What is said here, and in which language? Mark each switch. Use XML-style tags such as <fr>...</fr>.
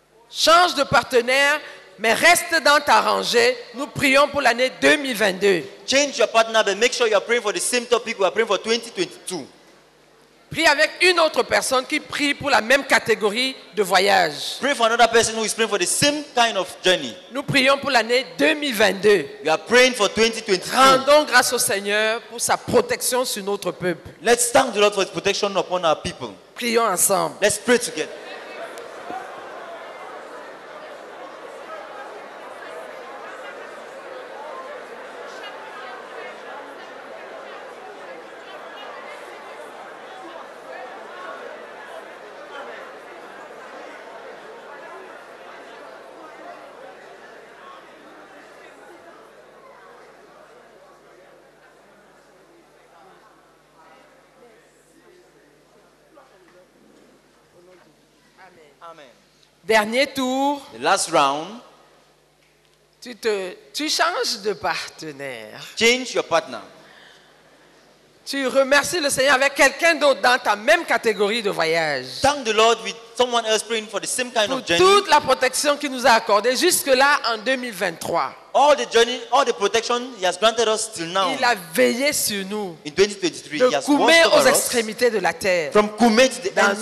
<fr>Change de partenaire, mais reste dans ta rangée. Nous prions pour l'année 2022.</fr> <en>Change your partner, but make sure you are praying for the same topic we are praying for 2022.</en> <fr>Prie avec une autre personne qui prie pour la même catégorie de voyage.</fr> <en>Pray for another person who is praying for the same kind of journey.</en> <fr>Nous prions pour l'année 2022.</fr> <en>We are praying for 2022.</en> <fr>Rendons grâce au Seigneur pour sa protection sur notre peuple.</fr> <en>Let's thank the Lord for his protection upon our people.</en> <fr>Prions ensemble.</fr> <en>Let's pray together.</en> <fr>Dernier tour.</fr> <en>The last round.</en> <fr>Tu changes de partenaire.</fr> <en>Change your partner.</en> <fr>Tu remercies le Seigneur avec quelqu'un d'autre dans ta même catégorie de voyage.</fr> <en>Thank the Lord with someone else praying for the same kind</en> <fr>pour</fr> <en>of journey.</en> <fr>Toute la protection qu'il nous a accordée jusque là en 2023.</fr> <en>All the journey, all the protection he has granted us till now.</en> <fr>Il a veillé sur nous.</fr> <en>In 2023, he has watched over us.</en> <fr>De Koumé aux extrémités de la terre.</fr> <en>From Koumé to the ends of the earth.</en>